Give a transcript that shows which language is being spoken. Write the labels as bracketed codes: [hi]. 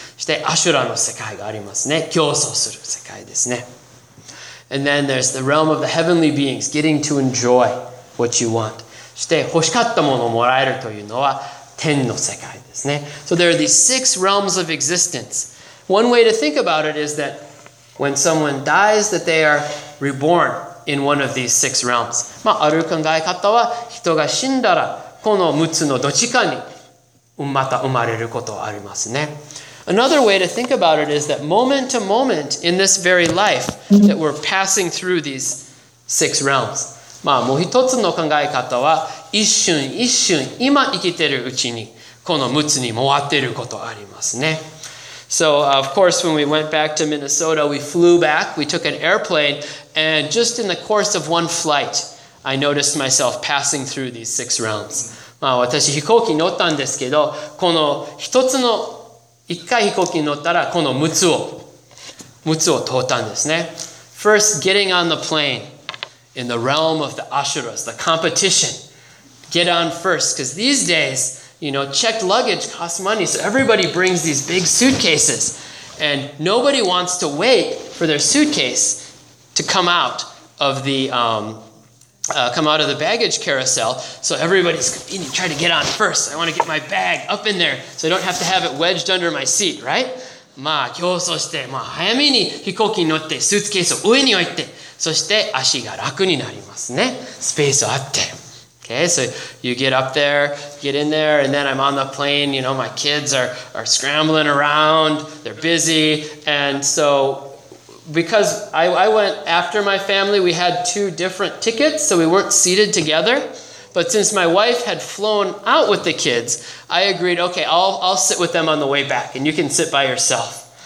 [ja] して、アシュラの世界がありますね。競争する世界ですね。 [en] And then there's the realm of the heavenly beings, getting to enjoy what you want. [ja] して、欲しかったものをもらえるというのは、天の世界ですね。 [en] So there are these six realms of existence. One way to think about it is that when someone dies, that they are reborn in one of these six realms. [ja] まあ、ある考え方は、人が死んだら、この6つのどちかにまた生まれることはありますね。 [en] Another way to think about it is that moment to moment in this very life, that we're passing through these six realms. [ja] まあ、もう一つの考え方は、一瞬一瞬、今生きているうちに、この6つに回っていることありますね。 [en] So, of course, when we went back to Minnesota, we flew back, we took an airplane, and just in the course of one flight, I noticed myself passing through these six realms. [ja] まあ、私、飛行機乗ったんですけど、この一つの、一回飛行機乗ったら、この6つを通ったんですね。 [en] First, getting on the plane. In the realm of the Asuras, the competition. Get on first, because these days, you know, checked luggage costs money, so everybody brings these big suitcases. And nobody wants to wait for their suitcase to come out of the, come out of the baggage carousel. So everybody's competing, trying to get on first. I want to get my bag up in there so I don't have to have it wedged under my seat, right? [ja] まあ、競争して、まあ、早めに飛行機に乗って、スーツケースを上に置いて、そして足が楽になりますね。スペースあって。 [en] Okay, so you get up there, get in there, and then I'm on the plane, you know, my kids are scrambling around, they're busy, and so, because I went after my family, we had two different tickets, so we weren't seated together, but since my wife had flown out with the kids, I agreed, okay, I'll sit with them on the way back, and you can sit by yourself.